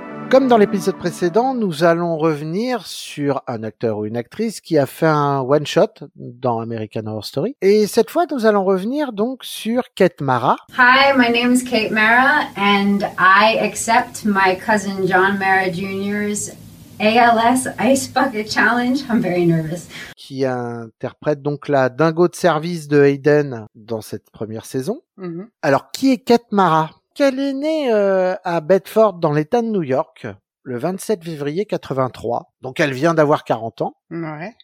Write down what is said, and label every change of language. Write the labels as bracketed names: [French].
[French] Comme dans l'épisode précédent, nous allons revenir sur un acteur ou une actrice qui a fait un one-shot dans American Horror Story. Et cette fois, nous allons revenir donc sur Kate Mara. [English] Hi, my name is Kate Mara and I accept my cousin John Mara Jr.'s ALS Ice Bucket Challenge. I'm very nervous. [French] Qui interprète donc la dingo de service de Hayden dans cette première saison. Mm-hmm. Alors, qui est Kate Mara ? Elle est née à Bedford, dans l'État de New York, le 27 février 83. Donc, elle vient d'avoir 40 ans. Ouais.